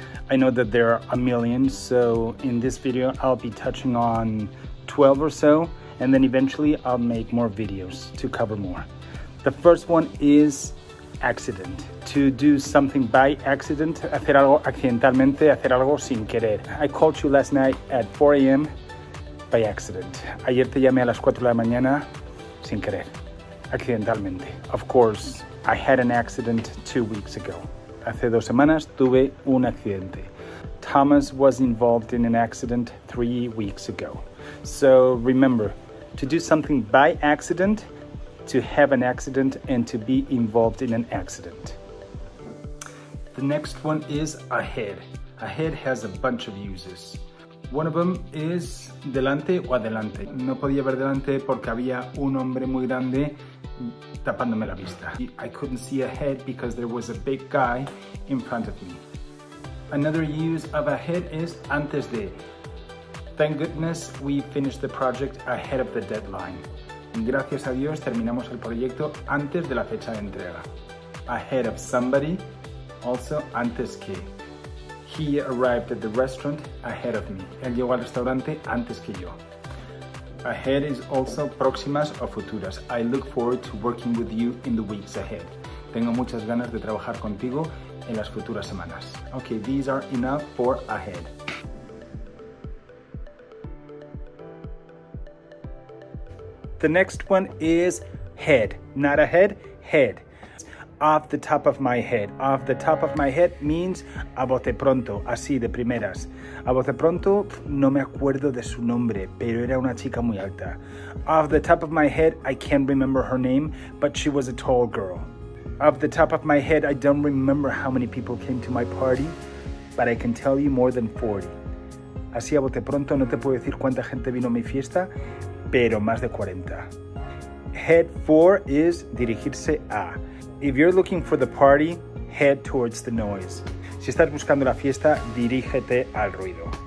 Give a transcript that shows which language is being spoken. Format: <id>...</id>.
<en>I know that there are a million, so in this video I'll be touching on 12 or so, and then eventually I'll make more videos to cover more. The first one is accident. To do something by accident,</en> <es>hacer algo accidentalmente, hacer algo sin querer.</es> <en>I called you last night at 4 a.m. by accident.</en> <es>Ayer te llamé a las 4 de la mañana sin querer.</es> <en>Accidentalmente. Of course, I had an accident 2 weeks ago.</en> <es>Hace dos semanas tuve un accidente.</es> <en>Thomas was involved in an accident 3 weeks ago. So remember, to do something by accident, to have an accident, and to be involved in an accident. The next one is ahead. Ahead has a bunch of uses. One of them is</en> <es>delante o adelante. No podía ver delante porque había un hombre muy grande tapándome la vista.</es> <en>I couldn't see ahead because there was a big guy in front of me. Another use of ahead is</en> <es>antes de.</es> <en>Thank goodness we finished the project ahead of the deadline.</en> <es>Gracias a Dios terminamos el proyecto antes de la fecha de entrega.</es> <en>Ahead of somebody, also antes que. He arrived at the restaurant ahead of me.</en> <es>Él llegó al restaurante antes que yo.</es> <en>Ahead is also</en> <es>próximas o futuras.</es> <en>I look forward to working with you in the weeks ahead.</en> <es>Tengo muchas ganas de trabajar contigo en las futuras semanas.</es> <en>Okay, these are enough for ahead. The next one is head. Not ahead, head. Off the top of my head. Off the top of my head means</en> <es>a bote pronto, así de primeras. A bote pronto, no me acuerdo de su nombre, pero era una chica muy alta.</es> <en>Off the top of my head, I can't remember her name, but she was a tall girl. Off the top of my head, I don't remember how many people came to my party, but I can tell you more than 40.</en> <es>Así a bote pronto, no te puedo decir cuánta gente vino a mi fiesta, pero más de 40.</es> <en>Head for is</en> <es>dirigirse a.</es> <en>If you're looking for the party, head towards the noise.</en> <es>Si estás buscando la fiesta, dirígete al ruido.</es>